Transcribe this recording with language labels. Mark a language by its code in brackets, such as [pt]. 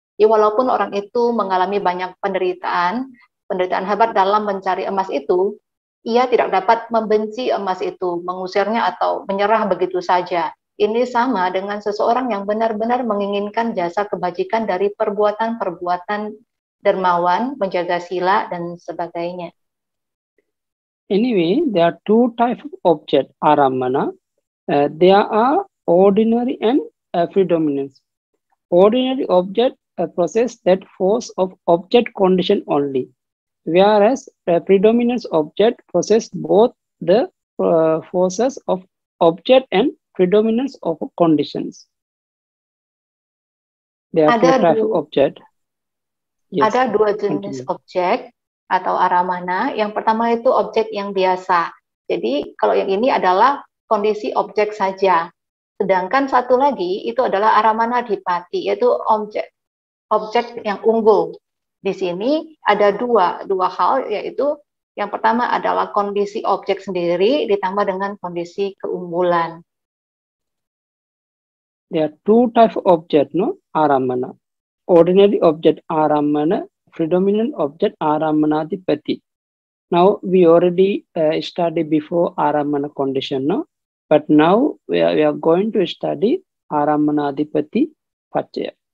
[id] Ya, walaupun orang itu mengalami banyak penderitaan, penderitaan hebat dalam mencari emas itu, ia tidak dapat membenci emas itu, mengusirnya atau menyerah begitu saja. Ini sama dengan seseorang yang benar-benar menginginkan jasa kebajikan dari perbuatan-perbuatan dermawan, menjaga sila, dan sebagainya. [en] Anyway, there are two types of object, aramana. There are ordinary and predominance. Ordinary object possess that force of object condition only, whereas predominance object possess both the forces of object and predominance of conditions. There are two types of object. [id] Yes. Ada dua jenis objek atau aramana. Yang pertama itu objek yang biasa. Jadi kalau yang ini adalah kondisi objek saja. Sedangkan satu lagi itu adalah aramana dipati, yaitu objek yang unggul. Di sini ada dua hal, yaitu yang pertama adalah kondisi objek sendiri ditambah dengan kondisi keunggulan. [en] There are two type object, no? Aramana. Ordinary object aramana, predominant object aramanadhipati. Now we already studied before aramana condition, no? But now we are going to study aramanadhipati paccaya.